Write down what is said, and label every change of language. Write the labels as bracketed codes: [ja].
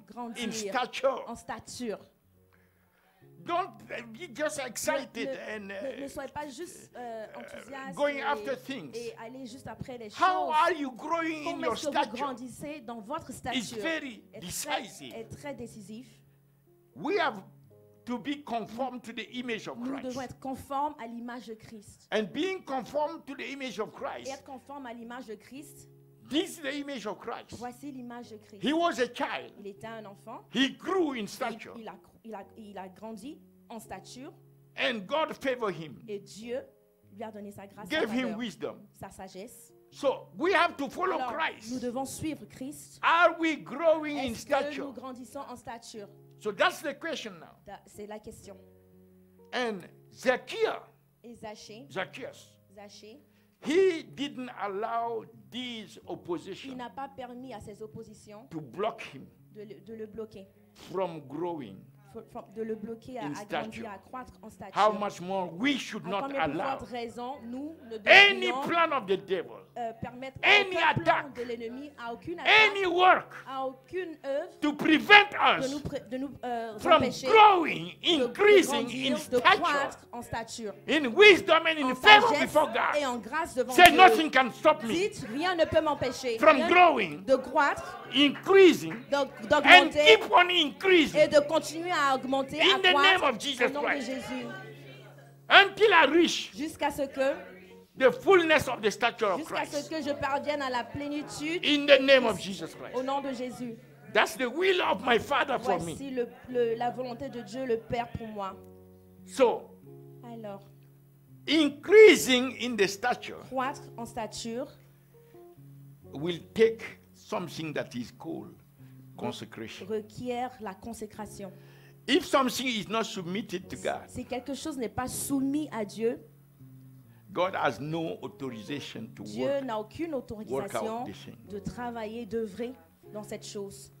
[fr] grandir [en] in stature. [fr] En stature. [en] Don't be just excited [fr] ne, [en] and [fr] ne soyez pas juste enthousiaste [en] going [fr] et, [en] after things. [fr] Et aller juste après les [en] how [fr] choses. [en] Are you growing [fr] comment [en] in your stature? [fr] Vous grandissez dans votre stature? [en] It's very decisive. [fr] Est très décisif. [en] We have to be conformed to the image of Christ. [fr] Nous devons être conformes à l'image de Christ. [en] And being conformed to the image of Christ. [fr] Et être conforme à l'image de Christ. [en] This is the image of Christ. [fr] Voici l'image de Christ. [en] He was a child. [fr] Il était un enfant. [en] He grew in stature. [fr] Il a grandi en stature. [en] And God favored him. [fr] Et Dieu lui a donné sa grâce. [en] Gave him wisdom. [fr] Sa sagesse. [en] So we have to follow [fr] alors, [en] Christ. [fr] Nous devons suivre Christ. [en] Are we growing [fr] est-ce [en] in stature? [fr] Est-ce que nous grandissons en stature? [en] So that's the question now. [fr] C'est la question. [en] And Zacchaeus. [fr] Et Zachée. [en] Zacchaeus. [fr] Zachée. [en] He didn't allow these oppositions. [fr] Il n'a pas permis à ces oppositions. [en] To block him. [fr] De le bloquer. [en] From growing. [fr] From de le bloquer [en] in [fr] à grandir, à croître en stature. [en] How much more we should [fr] à [en] not allow. [fr] Pour raison, nous ne [en] any plan of the devil. [fr] Permettre [en] any [fr] aucun [en] attack, [fr] plan de l'ennemi à aucune [en] attaque. Any work. [fr] À aucune œuvre. [en] To prevent us. From growing, increasing [fr] de grandir, [en] in stature. [fr] En stature. [en] In wisdom and in favor before God. [fr] Et en grâce devant [en] say [fr] Dieu. [en] Nothing can stop me. [fr] Dites, rien ne peut m'empêcher. [en] From growing. [fr] De croître. [en] Increasing. [fr] D'augmenter. [en] And keep on increasing. [fr] Et de continuer à augmenter, [en] in [fr] à [en] the [fr] croître, [en] name of Jesus [fr] au nom [en] Christ. [fr] De Jésus. [en] Until I reach. [fr] Jusqu'à ce que. [en] The fullness of the stature of Christ. [fr] Jusqu'à ce que je parvienne à la plénitude. [en] In the name of Jesus Christ. [fr] Au nom de Jésus. [en] That's the will of my Father for [fr] voici [en] me. [fr] Voici la volonté de Dieu le Père pour moi. [en] So. [fr] Alors. [en] Increasing in the stature. [fr] Croître en stature. [en] Will take something that is called consecration. [fr] Requiert la consécration. [en] If something is not submitted to God. [fr] Si quelque chose n'est pas soumis à Dieu. [en] God has no authorization to [fr] Dieu [en] work, [fr] n'a aucune autorisation de travailler, d'œuvrer dans cette chose.